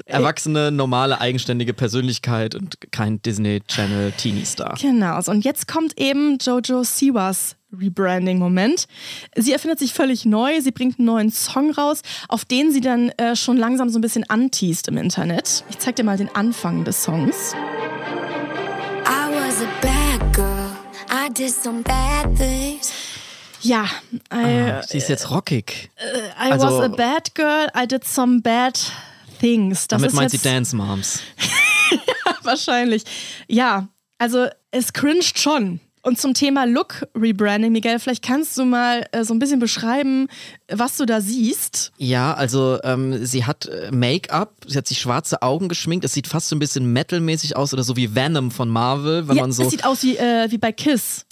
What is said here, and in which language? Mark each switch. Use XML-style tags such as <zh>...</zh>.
<de>erwachsene, normale, eigenständige Persönlichkeit und kein Disney Channel Teenie Star. Genau, und jetzt kommt eben Jojo Siwas Rebranding-Moment. Sie erfindet sich völlig neu, sie bringt einen neuen Song raus, auf den sie dann schon langsam so ein bisschen anteast im Internet. Ich zeig dir mal den Anfang des Songs.</de> <en>I was a bad girl. I did some bad things.</en> <de>Ja. Sie ist jetzt rockig.</de> <en>I was a bad girl. I did some bad things.</en> <de>Das damit ist meint jetzt sie Dance Moms. Ja, wahrscheinlich. Ja, also es cringed schon. Und zum Thema Look-Rebranding, Miguel, vielleicht kannst du mal so ein bisschen beschreiben, was du da siehst. Ja, also sie hat Make-up, sie hat sich schwarze Augen geschminkt, es sieht fast so ein bisschen Metal-mäßig aus oder so wie Venom von Marvel. Es sieht aus wie bei Kiss.</de>